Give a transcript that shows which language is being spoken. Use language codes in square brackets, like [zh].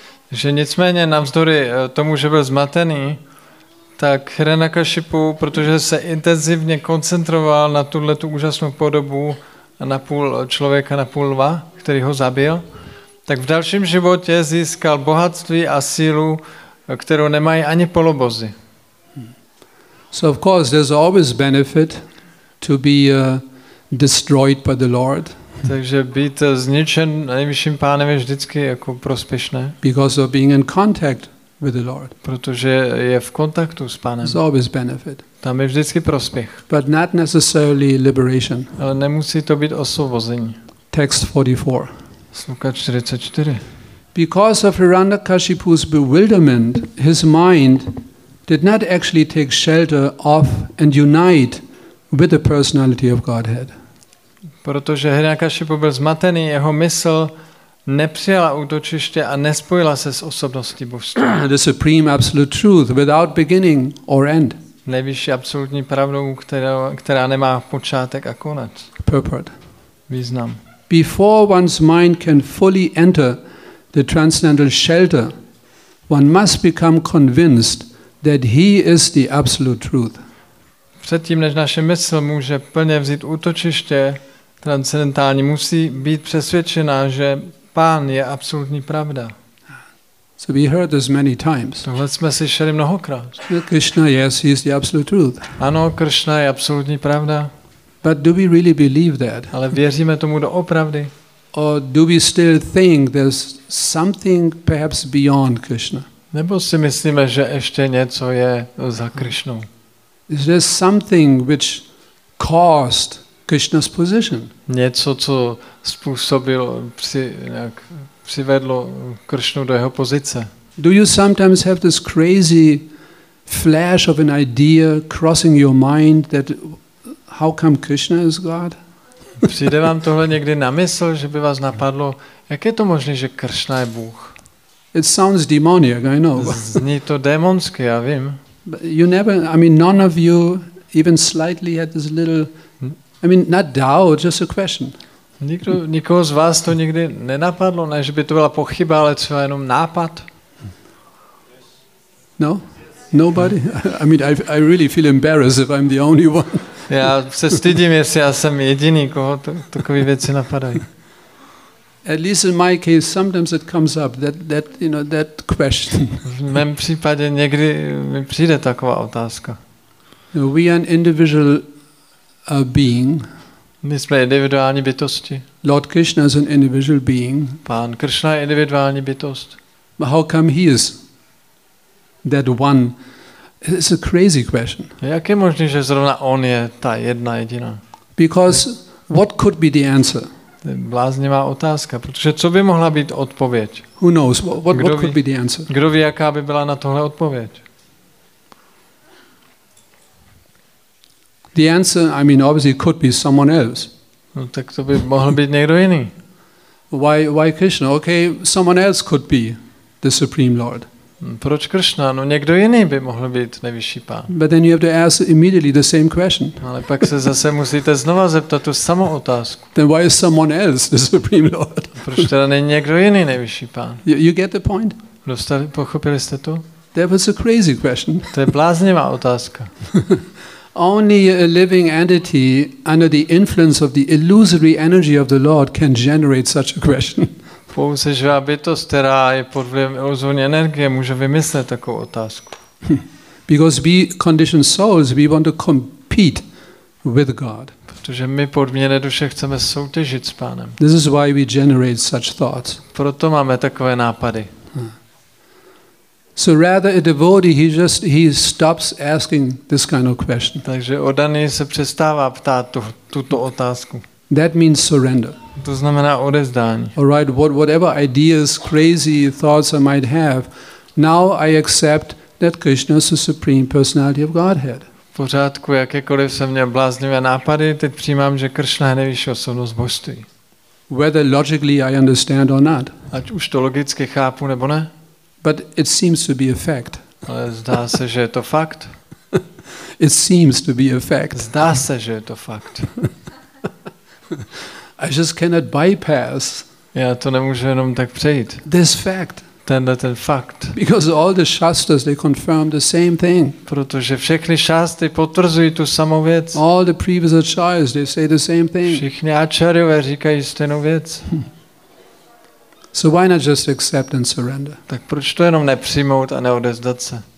[cs] Že nicméně navzdory tomu, že byl zmatený, tak Hiranyakashipu, protože se intenzivně koncentroval na tuhle tu úžasnou podobu, na půl člověka, na půl lva, který ho zabil, tak v dalším životě získal bohatství a sílu, kterou nemají ani polobozy. [en] So of course there's always benefit to be destroyed by the Lord. [cs] Takže být zničen nejvyšším pánem je vždycky jako prospěšné. [en] Because of being in contact with the Lord. [cs] Protože je v kontaktu s pánem. [en] There's always benefit. [cs] Tam je vždycky prospěch. [en] But not necessarily liberation. [cs] Ale nemusí to být osvobození. [en] Text 44. [cs] Sluka 44. [en] Because of Hiranyakashipu's bewilderment, his mind did not actually take shelter of and unite with the personality of Godhead. [cs] Protože Hiranyakashipu byl zmatený, jeho mysl nepřijala útočiště a nespojila se s osobností božstva. [en] The supreme absolute truth without beginning or end. [cs] Nejvyšší absolutní pravdou, která nemá počátek a konec. [en] Purport. [cs] Význam. [en] Before one's mind can fully enter the transcendental shelter, one must become convinced that he is the absolute truth. [cs] Předtím, než naše mysl může plně vzít útočiště transcendentální, musí být přesvědčená, že pán je absolutní pravda. [en] So we heard this many times. [cs] Tohle jsme slyšeli mnohokrát. [en] Krishna, yes, he is the absolute truth. [cs] Ano, Krishna je absolutní pravda. [en] But do we really believe that? [cs] Ale věříme tomu doopravdy? [en] Or do we still think there's something perhaps beyond Krishna? [cs] Nebo si myslíme, že ještě něco je za Krishnou? [en] Is there something which caused Krishna's position? [cs] Něco, co způsobilo přivedlo Krishnu do jeho pozice? [en] Do you sometimes have this crazy flash of an idea crossing your mind that how come Krishna is God? [cs] Přijde vám tohle někdy na mysl, že by vás napadlo, jak je to možné, že Krishna je Bůh? [en] It sounds demonic, I know. [cs] Zní to démonsky, já vím. [en] You never, I mean, none of you even slightly had this little, I mean, not doubt, just a question. [cs] Nikoho z vás to nikdy nenapadlo, ne, že by to byla pochyba, ale třeba jenom nápad? [en] No? Nobody? I mean, I really feel embarrassed if I'm the only one. [cs] Já se stydím, jestli já jsem jediný, koho takové věci napadají. [en] At least in my case, sometimes it comes up that you know that question. [cs] V mém případě někdy mi přijde taková otázka. [en] We are an individual being. [cs] My jsme individuální bytosti. [en] Lord Krishna is an individual being. [cs] Pán Krishna je individuální bytost. [en] But how come he is that one? It's a crazy question. [cs] Jak je možné, že zrovna on je ta jedna jediná? [en] Because what could be the answer? [cs] Bláznivá otázka, protože co by mohla být odpověď? [en] Who knows what could be the answer? [cs] Kdo ví, jaká by byla na tohle odpověď? [en] The answer, I mean, obviously could be someone else. [cs] No, tak to by mohl být někdo jiný. [en] Why Krishna? Okay, someone else could be the Supreme Lord. [cs] Proč Krishna? No někdo jiný by mohl být nejvyšší pán. [en] But then you have to ask immediately the same question. [cs] Ale pak se zase musíte znova zeptat tu samou otázku. [en] Then why is someone else the Supreme Lord? [cs] Proč teda není někdo jiný nejvyšší pán? [en] You get the point? [cs] Pochopili jste to? [en] That was a crazy question. [cs] To je bláznivá otázka. [en] Only a living entity under the influence of the illusory energy of the Lord can generate such a question. [cs] Pouze živá bytost, která je pod vlivem iluzorní energie, může vymyslet takovou otázku. [en] Because we conditioned souls, we want to compete with God. [cs] Protože my podmíněné duše chceme soutěžit s pánem. [en] This is why we generate such thoughts. [cs] Proto máme takové nápady. [en] So rather a devotee, he stops asking this kind of question. [cs] Takže oddaný se přestává ptát tuto otázku. [en] That means surrender. [cs] To znamená odezdání. [en] All right, whatever ideas, crazy thoughts I might have, now I accept that Krishna is the supreme personality of Godhead. [cs] V pořádku, jakékoliv jsem měl bláznivé nápady, teď přijímám, že Krishna je nejvyšší osobnost božství. [en] Whether logically I understand or not. [cs] Ať už to logicky chápu nebo ne. [en] But it seems to be a fact. [cs] Ale zdá se, že je to fakt. [en] It seems to be a fact. [cs] Zdá se, že je to fakt. [en] I just cannot bypass. [cs] Já to nemůžu jenom tak přejít. [en] This fact. [cs] tenhle fakt. [en] Because all the shastras they confirm the same thing. [cs] Protože všechny šastry potvrzují tu samou věc. [en] All the previous acharyas they say the same thing. [cs] Všichni acharyové říkají stejnou věc. [en] So why not just accept and surrender? [cs] Tak proč to jenom nepřijmout a neodezdat se?